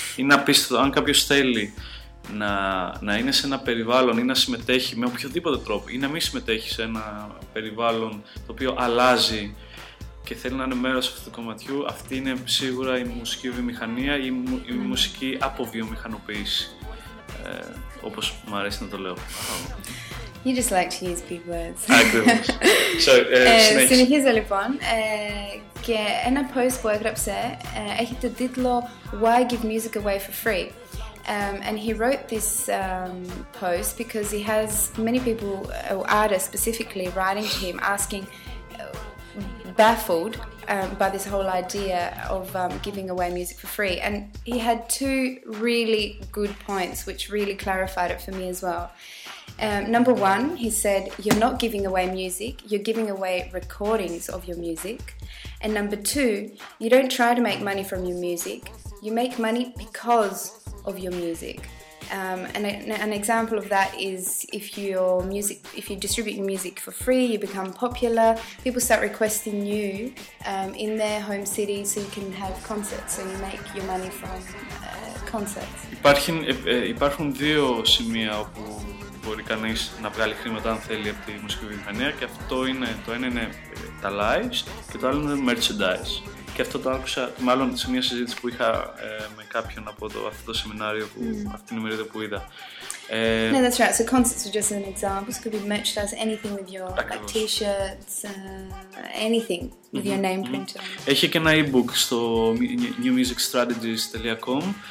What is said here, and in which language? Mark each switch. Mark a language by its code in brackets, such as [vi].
[el] Είναι απίστευτο, αν κάποιος θέλει να είναι σε ένα περιβάλλον ή να συμμετέχει με οποιοδήποτε τρόπο ή να μην συμμετέχει σε ένα περιβάλλον το οποίο αλλάζει και θέλει να είναι μέρος αυτού του κομματιού, αυτή είναι σίγουρα η μουσική βιομηχανία ή η μουσική αποβιομηχανοποίηση, όπως μου αρέσει να το λέω. [en] You just like to use big words. [el] Ακριβώς. Συνεχίζω λοιπόν. Και ένα post που έγραψε έχει το τίτλο [en] Why Give Music Away for Free? And he wrote this post because he has many people, artists specifically, writing to him asking, baffled by this whole idea of giving away music for free. And he had two really good points which really clarified it for me as well. Number one, he said, you're not giving away music, you're giving away recordings of your music. And number two, you don't try to make money from your music, you make money because of your music. An example of that is if you distribute your music for free, you become popular, people start requesting you in their home city so you can have concerts and you make your money from concerts. [el] Υπάρχουν δύο σημεία όπου μπορεί κανείς να βγάλει χρήματα αν θέλει από τη μουσική βιομηχανία και αυτό είναι, το ένα είναι τα lives και το άλλο είναι merchandise. Και αυτό το άκουσα, μάλλον σε μια συζήτηση που είχα με κάποιον από αυτό το σεμινάριο, αυτήν την ημερίδα που είδα. [en] No, that's right. So concerts are just an example. It could be merchandise, anything with your like t-shirts, anything with your name printed. [el] Έχει και ένα e-book στο newmusicstrategies.com.